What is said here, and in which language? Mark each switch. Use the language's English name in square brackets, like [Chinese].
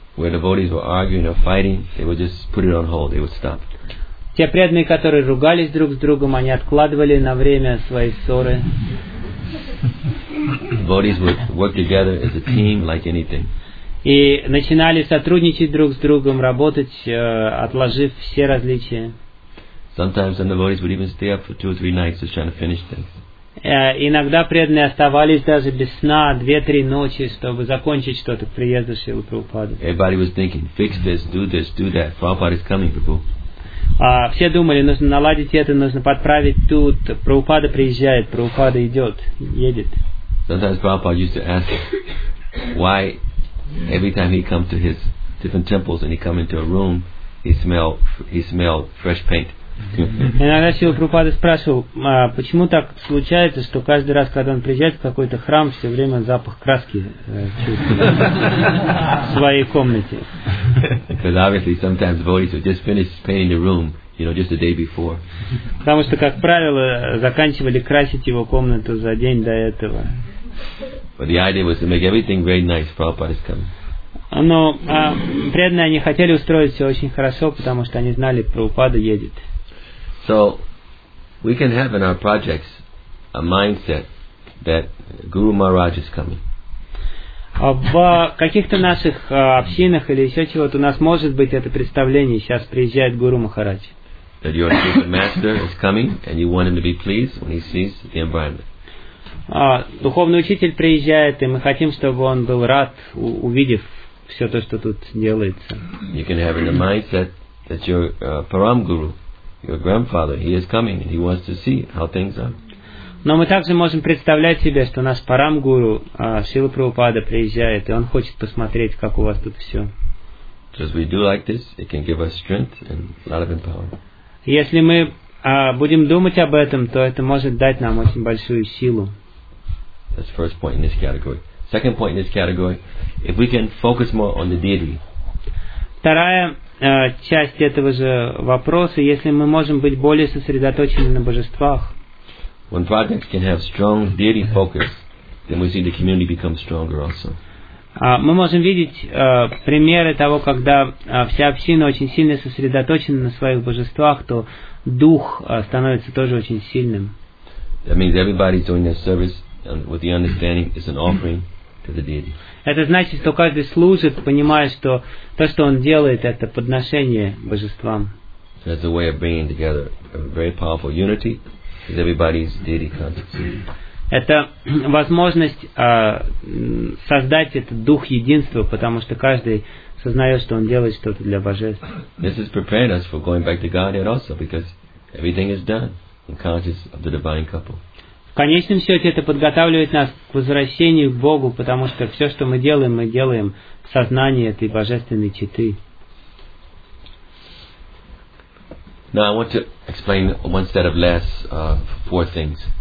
[English] Where devotees were arguing or fighting, they would just put it on hold, they would stop. [Russian] Те преданные, которые ругались друг с другом, они откладывали на время свои ссоры. [English] Devotees would work together as a team like anything. [Russian] И начинали сотрудничать друг с другом, работать, отложив все различия. [English] Sometimes the devotees would even stay up for two or three nights just trying to finish things. [Russian] Иногда преданные оставались даже без сна 2-3 ночи, чтобы закончить что-то к приезду Шрилы Прабхупады. [English] Everybody was thinking, fix this, do this, do that. Prabhupada is coming, Prabhu. [Russian] Все думали, нужно наладить это, нужно подправить тут. Прабхупада приезжает, Прабхупада идет, едет. [English] Sometimes Prabhupada used to ask, why every time he come to his different temples and he come into a room, he smelled fresh paint. [Russian] Иногда Шрила Прабхупада спрашивал, почему так случается, что каждый раз, когда он приезжает в какой-то храм, все время запах краски чувствует в своей комнате. [English] Because obviously sometimes devotees have just finished painting the room, you know, just the day before. [Russian] Потому что, как правило, заканчивали красить его комнату за день до этого. [English] But the idea was to make everything very nice. Prabhupada is coming. [Russian] Но преданные они хотели устроить все очень хорошо, потому что они знали, Прабхупада едет. [English] So we can have in our projects a mindset that Guru Maharaj is coming. [Russian] В каких-то наших общинах или еще чего-то у нас может быть это представление, сейчас приезжает Гуру Махарадж. [English] That your spiritual master is coming and you want him to be pleased when he sees the environment. [Russian] Духовный учитель приезжает, и мы хотим, чтобы он был рад, увидев все то, что тут делается. [English] You can have in the mindset that your Param Guru, your grandfather, he is coming and he wants to see how things are. [Russian] Но мы также можем представлять себе, что наш Парам Гуру, Шрила Прабхупада, приезжает, и он хочет посмотреть, как у вас тут все. [English] Because we do like this, it can give us strength and a lot of empowerment. [Russian] Если мы будем думать об этом, то это может дать нам очень большую силу. [English] That's the first point in this category. Second point in this category, if we can focus more on the deity. [Russian] Вторая часть этого же вопроса, если мы можем быть более сосредоточены на божествах. [English] When projects can have strong deity focus, then we see the community become stronger also. [Russian] Мы можем видеть примеры того, когда вся община очень сильно сосредоточена на своих божествах, то дух становится тоже очень сильным. [English] That means everybody's doing their service and with the understanding it's an offering to the deity. [Russian] Это значит, что каждый служит, понимая, что то, что он делает, это подношение божествам. [English] That's a way of bringing together a very powerful unity. Everybody's deity consciousness. [Russian] Это возможность создать этот дух единства, потому что каждый сознает, что он делает что-то для божеств. [English] This is preparing us for going back to Godhead also, because everything is done in consciousness of the divine couple. [Russian] В конечном счете это подготавливает нас к возвращению к Богу, потому что все, что мы делаем в сознании этой божественной четы. [English] Now I want to explain one set of last four things.